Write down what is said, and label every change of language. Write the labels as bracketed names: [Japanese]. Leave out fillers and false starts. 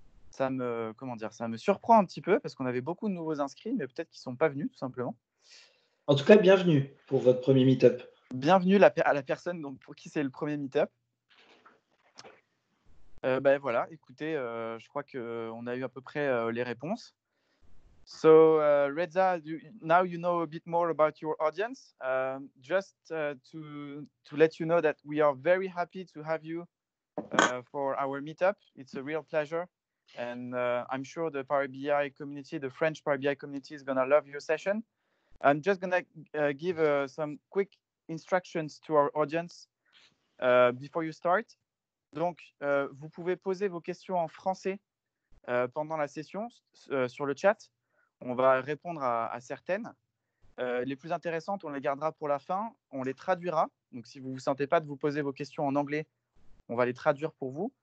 [French] Ça me surprend un petit peu parce qu'on avait beaucoup de nouveaux inscrits, mais peut-être qu'ils ne sont pas venus, tout simplement. En tout cas, bienvenue pour votre premier meet-up. Bienvenue à la personne donc, pour qui c'est le premier meet-up. Voilà, écoutez, je crois qu'on a eu à peu près les réponses. [English] So, Reza, now you know a bit more about your audience. Just to let you know that we are very happy to have you for our meetup. It's a real pleasure. And I'm sure the Power BI community, the French Power BI community is going to love your session. I'm just going to give some quick instructions to our audience before you start. [French] Donc, vous pouvez poser vos questions en français pendant la session sur le chat. On va répondre à certaines. Les plus intéressantes, on les gardera pour la fin. On les traduira. Donc, si vous ne vous sentez pas de vous poser vos questions en anglais, on va les traduire pour vous.